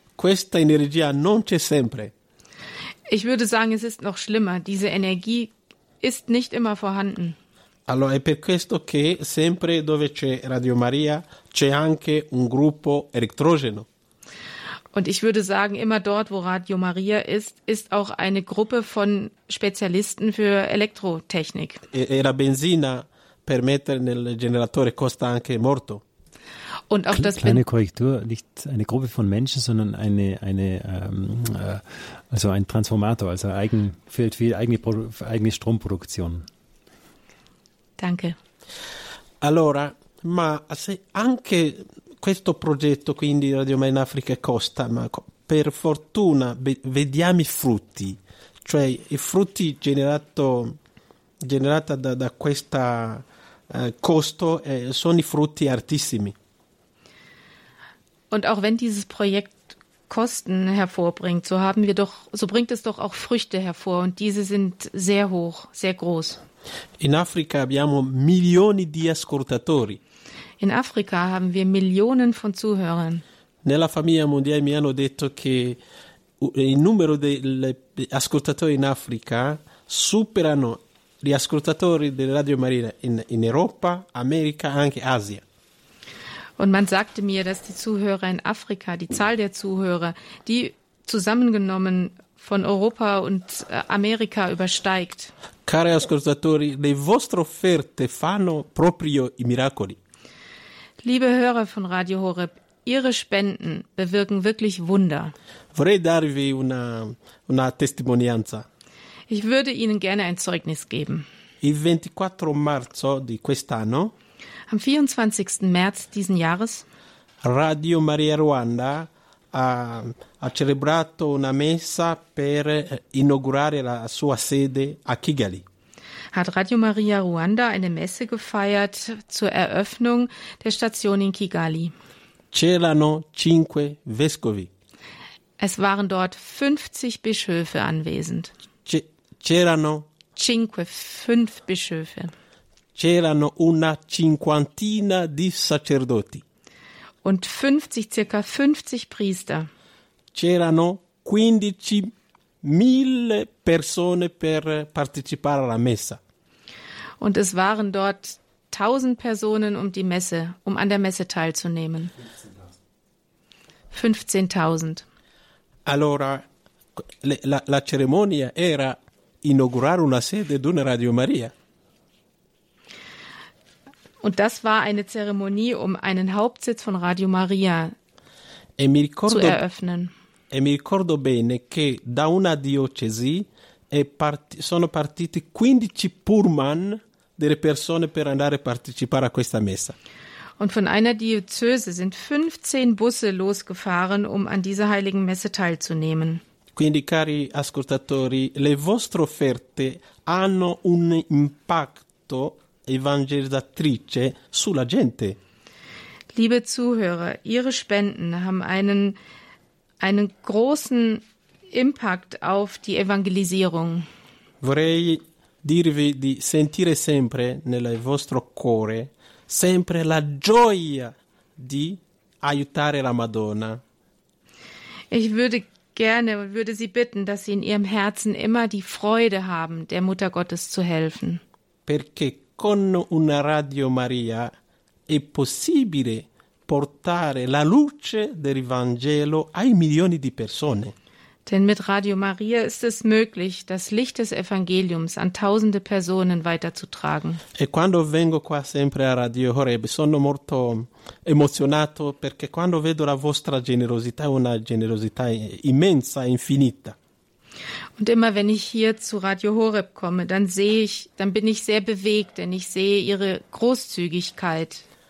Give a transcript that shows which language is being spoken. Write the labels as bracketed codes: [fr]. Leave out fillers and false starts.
[it] Questa energia non c'è sempre. [de] Ich würde sagen, es ist noch schlimmer. Diese Energie ist nicht immer vorhanden. [it] Allora, è per questo che sempre dove c'è Radio Maria c'è anche un gruppo elettrogeno. [de] Und ich würde sagen, immer dort, wo Radio Maria ist, ist auch eine Gruppe von Spezialisten für Elektrotechnik. [it] E la benzina per mettere nel generatore costa anche molto. [de] Und auch das kleine Korrektur, nicht eine Gruppe von Menschen, sondern ein Transformator, also für eigene Stromproduktion. Danke. [it] Allora, ma se anche questo progetto quindi Radio Maria in Africa costa, ma per fortuna vediamo i frutti, cioè i frutti generati da questo costo sono i frutti altissimi. [de] Und auch wenn dieses Projekt Kosten hervorbringt, so bringt es doch auch Früchte hervor und diese sind sehr hoch, sehr groß. [it] In Afrika abbiamo milioni di ascoltatori. [de] In Afrika haben wir Millionen von Zuhörern. [it] Nella famiglia mondiale mi hanno detto che il numero degli ascoltatori in Africa superano gli ascoltatori della Radio Maria in Europa, America, anche Asia. [de] Und man sagte mir, dass die Zuhörer in Afrika, die Zahl der Zuhörer, die zusammengenommen von Europa und Amerika übersteigt. [it] Cari ascoltatori, le vostre offerte fanno proprio i miracoli. [de] Liebe Hörer von Radio Horeb, Ihre Spenden bewirken wirklich Wunder. [it] Vorrei darvi una testimonianza. [de] Ich würde Ihnen gerne ein Zeugnis geben. [it] Il 24 marzo di quest'anno. [de] Am 24. März diesen Jahres. [it] Radio Maria Ruanda ha celebrato una messa per inaugurare la sua sede a Kigali. [de] Hat Radio Maria Ruanda eine Messe gefeiert zur Eröffnung der Station in Kigali. [it] C'erano 5 Vescovi. [de] Es waren dort 50 Bischöfe anwesend. [it] C'erano 5 [de] Bischöfe. [it] C'erano una cinquantina di sacerdoti. [de] Und 50, circa 50 Priester. [it] C'erano 15.000 persone per partecipare alla messa. [de] Und es waren dort 1000 Personen, um an der Messe teilzunehmen. [it] 15.000. Allora, la cerimonia era inaugurare una sede di una Radio Maria. [de] Und das war eine Zeremonie, um einen Hauptsitz von Radio Maria zu eröffnen. [it] E mi ricordo bene che da una diocesi sono partiti 15 Pullman delle persone per andare a partecipare a questa messa. [de] Und von einer Diözese sind 15 Busse losgefahren, um an dieser heiligen Messe teilzunehmen. [it] Quindi, cari ascoltatori, le vostre offerte hanno un impatto evangelizzatrice sulla gente. [de] Liebe Zuhörer, Ihre Spenden haben einen großen Impact auf die Evangelisierung. [it] Vorrei dirvi di sentire sempre nel vostro cuore sempre la gioia di aiutare la Madonna. [de] Ich würde gerne und würde Sie bitten, dass Sie in Ihrem Herzen immer die Freude haben, der Mutter Gottes zu helfen. [it] Perché con una Radio Maria è possibile portare la luce del Vangelo ai milioni di persone. [de] Denn mit Radio Maria ist es möglich, das Licht des Evangeliums an tausende Personen weiterzutragen. [it] E quando vengo qua sempre a Radio Horeb, sono molto emozionato, perché quando vedo la vostra generosità, una generosità immensa, infinita. [de] Und immer wenn ich hier zu Radio Horeb komme, dann bin ich sehr bewegt, denn ich sehe ihre Großzügigkeit.